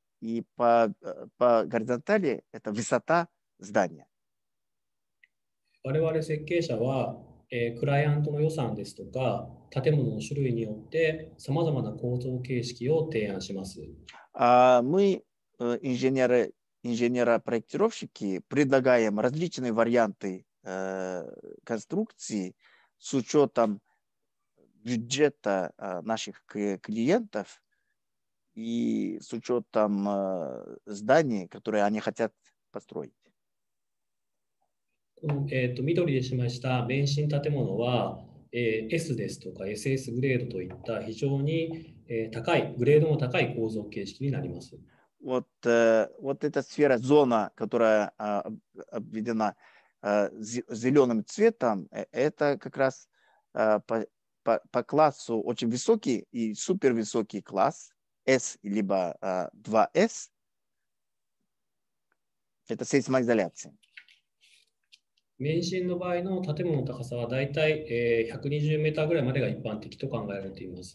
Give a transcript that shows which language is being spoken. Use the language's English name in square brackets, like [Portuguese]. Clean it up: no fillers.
[Russian] И по горизонтали это высота здания. [Japanese] 我々設計者は、クライアントの予算ですとか建物の種類によってさまざまな構造形式を提案します。 [Russian] Мы инженеры-проектировщики предлагаем различные варианты конструкции с учетом бюджета наших клиентов. И с учетом зданий, которые они хотят построить. [Japanese] 緑で示した免震建物は S ですとか SS グレードといった非常に高いグレードの高い構造形式になります。 [Russian] Вот эта сфера, зона, которая обведена зеленым цветом, это как раз по классу очень высокий и супервысокий класс. S, либо 2S, это сейсмоизоляция. [Japanese] 免震の場合の建物の高さはだいたい120メーターぐらいまでが一般的と考えられています。